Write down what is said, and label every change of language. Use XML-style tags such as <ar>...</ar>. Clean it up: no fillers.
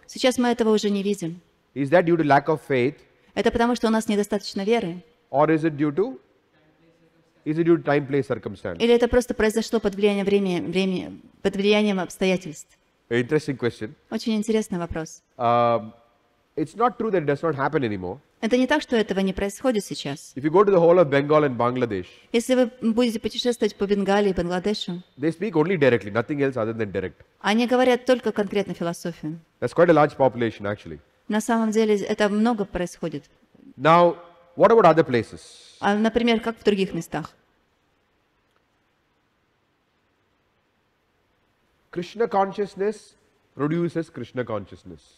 <ru>Сейчас мы этого уже не видим.</ru> <en>Is that due to lack of faith?</en> <ru>Это потому, что у нас недостаточно веры.</ru> <en>Or is it due to? Is it due to time, place, circumstance?</en> <ru>Или это просто произошло под влиянием времени, под влиянием обстоятельств?</ru> <en>Interesting question.</en> <ru>Очень интересный вопрос.</ru> <en>It's not true that it does not happen anymore.</en> <ru>Это не так, что этого не происходит сейчас.</ru> <en>If you go to the whole of Bengal and Bangladesh.</en> <ru>Если вы будете путешествовать по Бенгалии и Бангладешу.</ru> <en>They speak only directly, nothing else other than direct.</en> <ru>Они говорят только конкретно философию.</ru> <en>That's quite a large population, actually.</en> <ru>На самом деле это много происходит.</ru> <en>Now, what about other places?</en> <ru>А, например, как в других местах?</ru> <en>Krishna consciousness produces Krishna consciousness.</en>